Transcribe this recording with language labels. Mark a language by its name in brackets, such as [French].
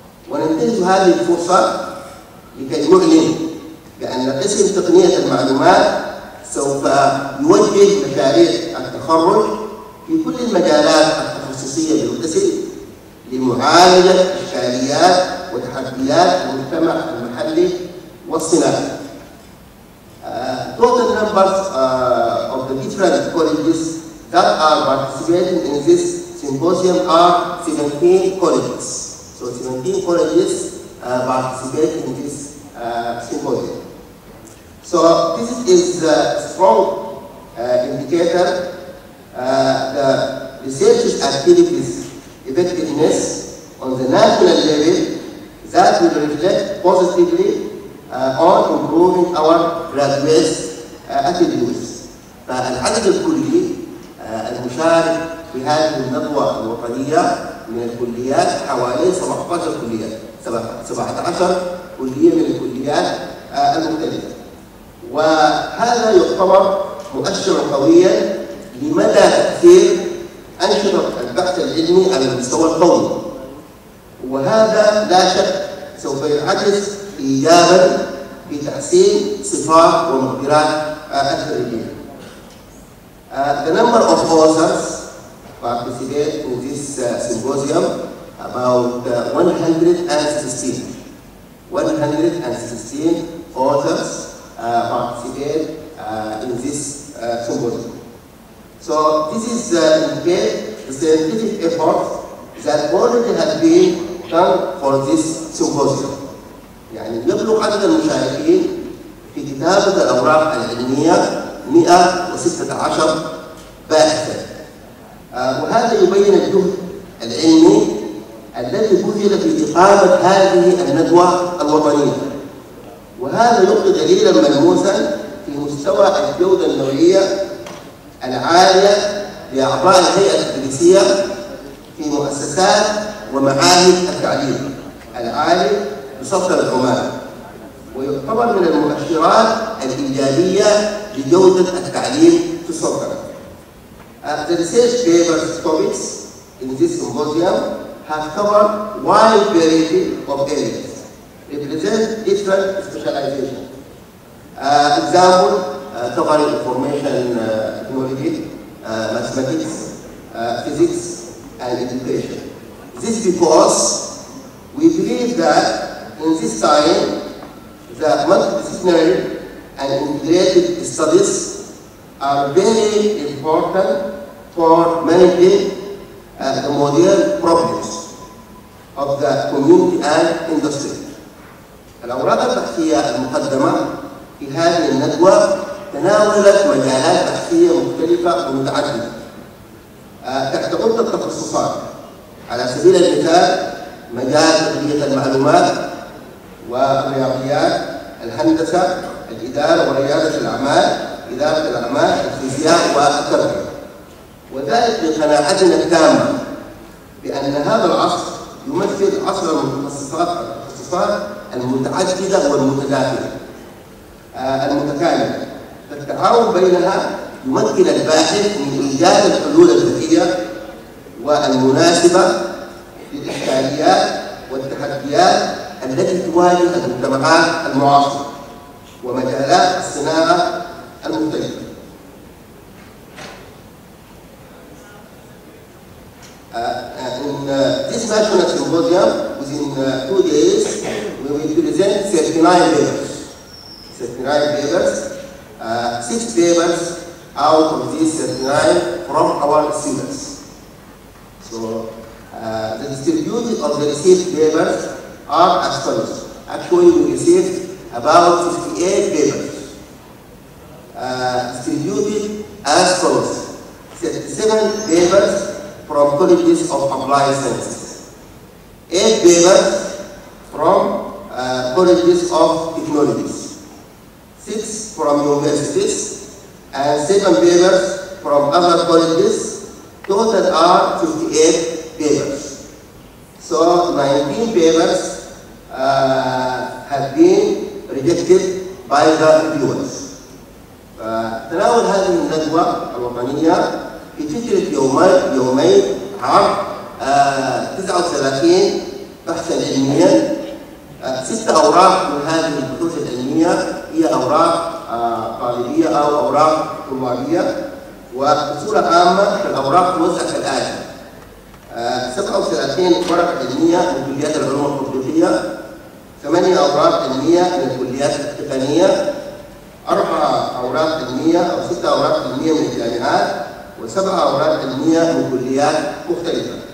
[Arabic] وننتهز هذه الفرصة لكي نعلن بأن قسم تقنية المعلومات سوف يوجه مشاريع التخرج في كل المجالات التخصصية بالقسم لمعالجة إشكاليات وتحديات المجتمع المحلي والصناعي. [English] Total numbers of the different colleges that are participating in this symposium are 17 colleges. So 17 colleges participate in this symposium. So this is a strong indicator the research activities effectiveness on the national level that will reflect positively on improving our graduates' attitudes. [Arabic] فالعدد الكلي المشارك في هذه الندوة الوطنية من الكليات حوالي 17 كلية، 17 كلية من الكليات المختلفة. وهذا يعتبر مؤشرا قويا لمدى تأثير أنشطة البحث العلمي على المستوى القومي. وهذا لا شك سوف يعكس إيجابا في تحسين صفات ومقدرات الخريجين. [English] The number of authors participate in this symposium about 116. 116 authors participate in this symposium. So this is the scientific effort that already has been done for this symposium. [Arabic] يعني يبلغ عدد المشاركين في كتابة الأوراق العلمية 116 باحثا. وهذا يبين الجهد العلمي الذي بذل في إقامة هذه الندوة الوطنية. وهذا يعطي دليلا ملموسا في مستوى الجودة النوعية العالية لأعضاء الهيئة التدريسية في مؤسسات ومعاهد التعليم العالي بصفة العمال. ويعتبر من المؤشرات الإيجابية لجودة التعليم في السلطنة. [English] The research papers topics in this symposium have covered wide variety of areas represent different specializations. Example, covering information technology, mathematics, physics, and education. This because we believe that in this time, the multidisciplinary and integrated studies are very important for managing the modern problems of the community and industry. [Arabic] الأوراق البحثية المقدمة في هذه الندوة تناولت مجالات بحثية مختلفة ومتعددة تحت عدة تخصصات. على سبيل المثال مجال تقنية المعلومات والرياضيات، الهندسة، الإدارة وريادة الأعمال، إدارة الأعمال، الفيزياء والتربية. وذلك لقناعتنا التامة بأن هذا العصر يمثل عصر المتخصصات المتعددة والمتداخلة المتكاملة. فالتعاون بينها يمكن الباحث من إيجاد الحلول الذكية والمناسبة للإشكاليات والتحديات التي تواجه المجتمعات المعاصرة ومجالات الصناعة المختلفة. [English] In this national symposium, within 2 days, we will present 39 papers. 39 papers, 6 papers out of these 39 from our students. So, the distribution of the received papers are as follows. Actually, we received about 58 papers. Distributed as follows. 7 papers from colleges of applied sciences. 8 papers from colleges of technologies. 6 from universities. And 7 papers from other colleges. Total are 58 papers. So 19 papers have been predicted by the viewers. [Arabic] تناول هذه الندوة الوطنية في فترة يومين عام 39 بحثا علميا. ست أوراق من هذه البحوث العلمية هي أوراق طالبية أو أوراق طلابية، وبصورة عامة الأوراق توزع كالآتي: 37 ورقة علمية من كليات العلوم الحدوثية، 8 أوراق علمية من الكليات التقنية، 4 أوراق علمية أو 6 أوراق علمية من الجامعات، و7 أوراق علمية من كليات مختلفة.